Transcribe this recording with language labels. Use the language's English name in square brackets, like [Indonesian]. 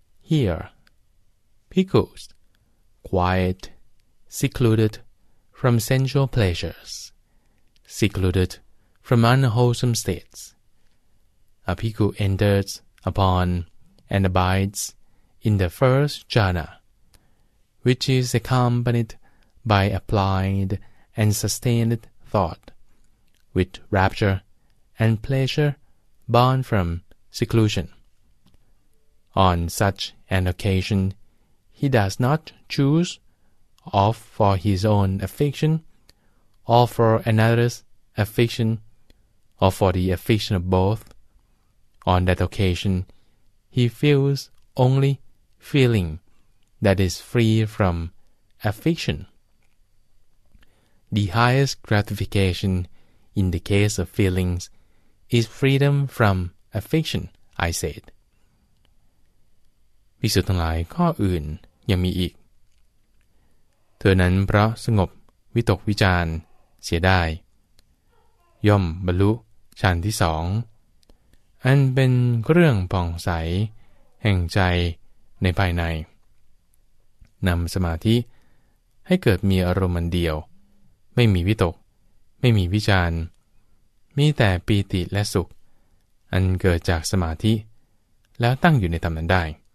[English] Here, Pickles, quiet, secluded from sensual pleasures, secluded from unwholesome states, a Pickle enters upon and abides in the first jhana, which is accompanied by applied and sustained thought, with rapture and pleasure born from seclusion. On such an occasion, he does not choose, off for his own affection, or for another's affection, or for the affection of both. On that occasion, he feels only feeling that is free from affection. The highest gratification in the case of feelings is freedom from affection, I said. [Thai] ภิกษุทั้งหลายข้ออื่นยังมีอีกเธอนั้นเพราะสงบวิตกวิจารเสียได้ย่อมบรรลุฌานที่สองอันเป็นเรื่องผ่องใสแห่งใจในภายในนำสมาธิให้เกิดมีอารมณ์อันเดียวไม่มีวิตกไม่มีวิจารมีแต่ปีติและสุขอันเกิดจากสมาธิแล้วตั้งอยู่ในธรรมนั้นได้